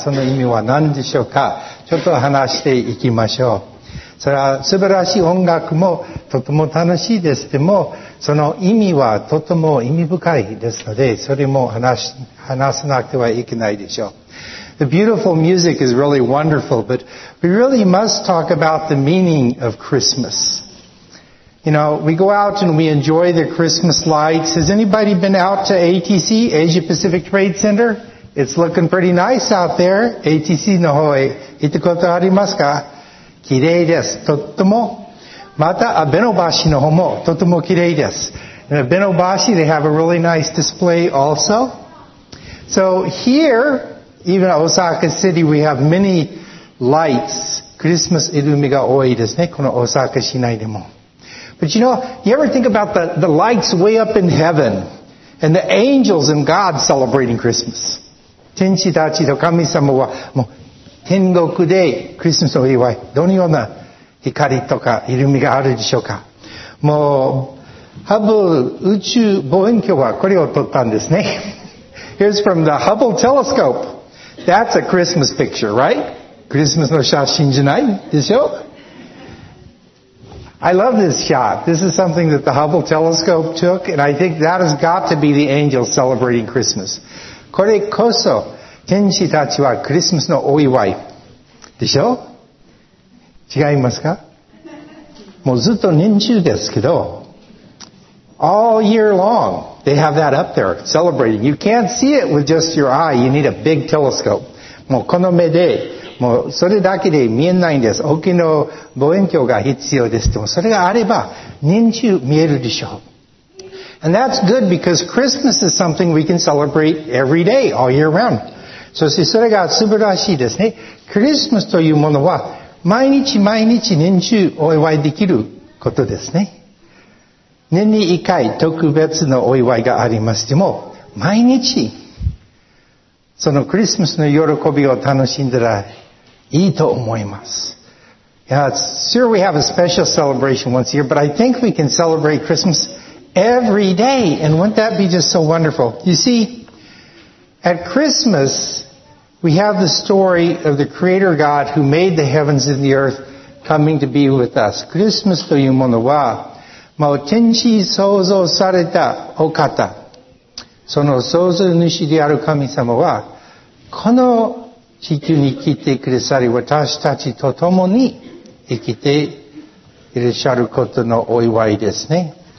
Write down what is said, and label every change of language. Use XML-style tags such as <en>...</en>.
<ja>その意味は何でしょうか？ちょっと話していきましょう。それは素晴らしい音楽もとても楽しいです。でも、その意味はとても意味深いですので、それも話さなくてはいけないでしょう。</ja> <en>The beautiful music is really wonderful, but we really must talk about the meaning of Christmas. You know, we go out and we enjoy the Christmas lights. Has anybody been out to ATC, Asia Pacific Trade Center? It's looking pretty nice out there.</en> <ja>ATC の方へ行ったことありますか？綺麗です。とっても。また、阿部の橋の方もとっても綺麗です。</ja> <en>阿部の橋、they have a really nice display also. So here, even Osaka City, we have many lights.</en> <ja>Christmas illumi が多いですね。この Osaka 市内でも。</ja> <en>But you know, you ever think about the lights way up in heaven and the angels and God celebrating Christmas?</en> <ja>天使たちと神様はもう天国でクリスマスを祝い、どのような光とかイルミがあるでしょうか。もう、ハブル宇宙望遠鏡はこれを撮ったんですね。</ja> <en>Here's from the Hubble telescope. That's a Christmas picture, right?</en> <ja>クリスマスの写真じゃないでしょ。</ja> <en>I love this shot. This is something that the Hubble telescope took, and I think that has got to be the angels celebrating Christmas.</en> <ja>これこそ、天使たちはクリスマスのお祝いでしょ？違いますか？もうずっと年中ですけど、</ja> <en>all year long they have that up there celebrating. You can't see it with just your eye. You need a big telescope.</en> <ja>もうこの目で、もうそれだけで見えないんです。大きな望遠鏡が必要です。でもそれがあれば年中見えるでしょう。</ja> <en>And that's good because Christmas is something we can celebrate every day, all year round.</en> <ja>そしてそれが素晴らしいですね。クリスマスというものは毎日毎日年中お祝いできることですね。年に一回特別のお祝いがありますでも、毎日そのクリスマスの喜びを楽しんだらいいと思います。</ja> <en>Yeah, sure we have a special celebration once a year, but I think we can celebrate Christmas every day. And wouldn't that be just so wonderful? You see,At Christmas, we have the story of the Creator God who made the heavens and the earth coming to be with us.</en> <ja>クリスマスというものは、もう天地創造されたお方、その創造主である神様は、この地球に来てくださり、私たちと共に生きていらっしゃることのお祝いですね。</ja>